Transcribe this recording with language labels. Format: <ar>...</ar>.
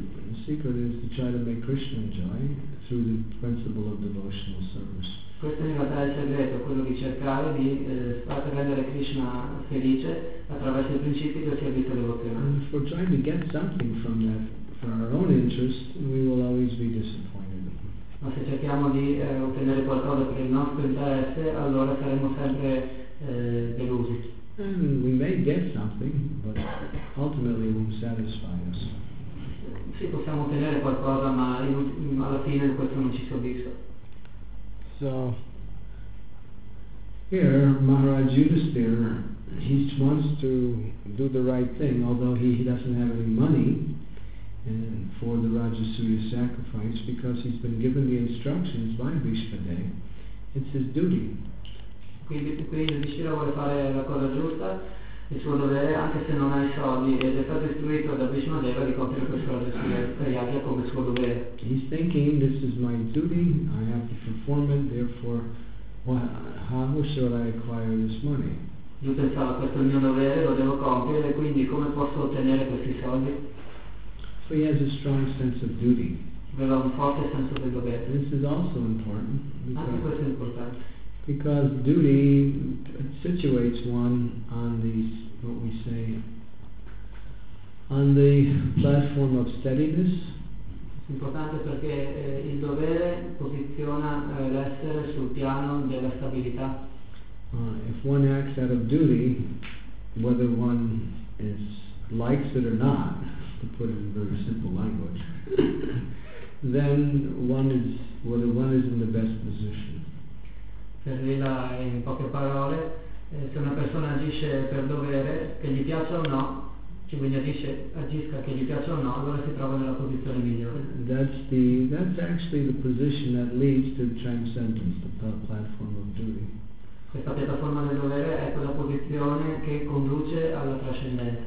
<en>The secret is to try to make Krishna enjoy through the principle of devotional service.</en> <it>Questo è in realtà il segreto, quello di cercare di far rendere Krishna felice attraverso i principi del servizio devozionale.</it> <en>And if we're trying to get something from that for our own interest, we will always be disappointed.</en> <it>Ma se cerchiamo di ottenere qualcosa per il nostro interesse, allora saremo sempre delusi.</it> <en>And we may get something, but ultimately it won't satisfy us.</en> <it>Sì, possiamo ottenere qualcosa, ma alla fine questo non ci soddisfa.</it> <en>So here, Maharaj Yudhisthira, he wants to do the right thing, although he doesn't have any money for the Rajasuya sacrifice, because he's been given the instructions by Bhishma Dev. It's his duty.</en> <it>Quindi Yudhisthira vuole fare la cosa giusta, il suo dovere, anche se non ha i soldi, ed è stato istruito da Bhishma Deva di compiere questo Rajasuya come suo dovere.</it> <en>He's thinking, this is my duty, I have to perform it, therefore how should I acquire this money?</en> <it>Lui pensava, questo è il mio dovere, lo devo compiere, quindi come posso ottenere questi soldi?</it> <en>So he has a strong sense of duty.</en> <it>Aveva un forte senso del dovere.</it> <en>This is also important.</en> <it>Anche questo è importante.</it> <en>Because duty situates one on the, what we say, on the platform of steadiness.</en> <it>È importante perché il dovere posiziona l'essere sul piano della stabilità.</it> <en>If one acts out of duty, whether one is likes it or not, to put it in very simple language, then one is, whether one is in the best position.</en> <it>Per dirla in poche parole, se una persona agisce per dovere, che gli piaccia o no, ci quindi agisca che gli piace o no, allora si trova nella posizione migliore.</it> <en>That's actually the position that leads to transcendence, the platform of duty.</en> <it>Questa piattaforma del dovere è quella posizione che conduce alla trascendenza.</it>